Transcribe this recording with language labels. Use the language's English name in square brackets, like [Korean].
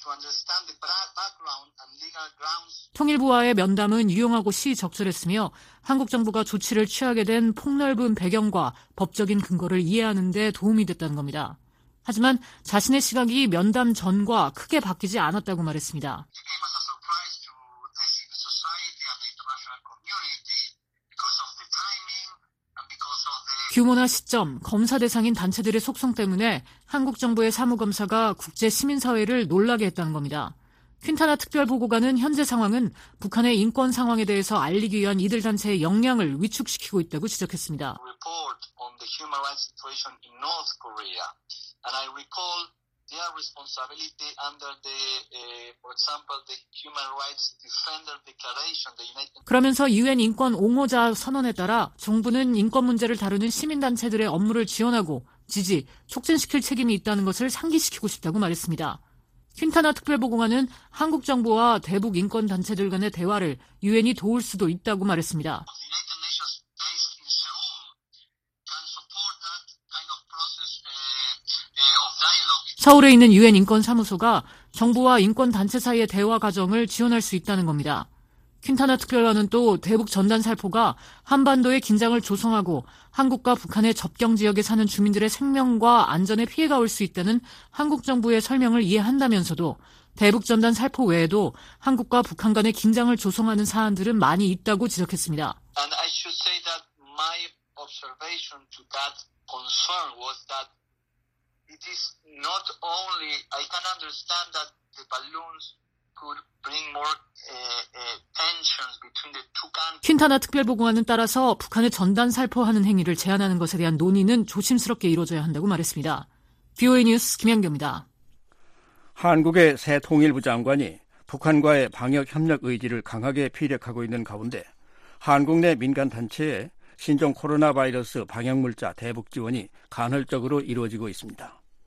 [English] Helped me to understand the background and legal grounds. [Korean] 통일부와의 면담은 유용하고 시의적절했으며 한국 정부가 조치를 취하게 된 폭넓은 배경과 법적인 근거를 이해하는 데 도움이 됐다는 겁니다. 하지만 자신의 시각이 면담 전과 크게 바뀌지 않았다고 말했습니다. [English] Because of the [Korean] 규모나 시점, 검사 대상인 단체들의 속성 때문에 한국 정부의 사무검사가 국제 시민사회를 놀라게 했다는 겁니다. 퀸타나 특별보고관은 현재 상황은 북한의 인권 상황에 대해서 알리기 위한 이들 단체의 역량을 위축시키고 있다고 지적했습니다. [English] Report on the human rights situation in North Korea, and I recall their responsibility under the, for example, the Human Rights Defender Declaration. [Korean] 그러면서 UN 인권 옹호자 선언에 따라 정부는 인권 문제를 다루는 시민 단체들의 업무를 지원하고 지지, 촉진시킬 책임이 있다는 것을 상기시키고 싶다고 말했습니다. 퀸타나 특별보고관은 한국 정부와 대북 인권 단체들 간의 대화를 UN이 도울 수도 있다고 말했습니다. 서울에 있는 UN 인권 사무소가 정부와 인권 단체 사이의 대화 과정을 지원할 수 있다는 겁니다. 퀸타나 특별관은 또 대북 전단 살포가 한반도의 긴장을 조성하고 한국과 북한의 접경 지역에 사는 주민들의 생명과 안전에 피해가 올 수 있다는 한국 정부의 설명을 이해한다면서도 대북 전단 살포 외에도 한국과 북한 간의 긴장을 조성하는 사안들은 많이 있다고 지적했습니다. [English] And I should say that my observation to that concern was that it is not only I can understand that the balloons could bring more tensions between the two countries. [Korean] 퀸타나 특별보고관은 따라서 북한의 전단 살포하는 행위를 제한하는 것에 대한 논의는 조심스럽게 이루어져야 한다고 말했습니다. BOA 뉴스 김현경입니다. 한국의 새 통일부 장관이 북한과의 방역 협력 의지를 강하게 피력하고 있는 가운데 한국 내 민간 단체의 신종 코로나 바이러스 방역 물자 대북 지원이 간헐적으로 이루어지고 있습니다.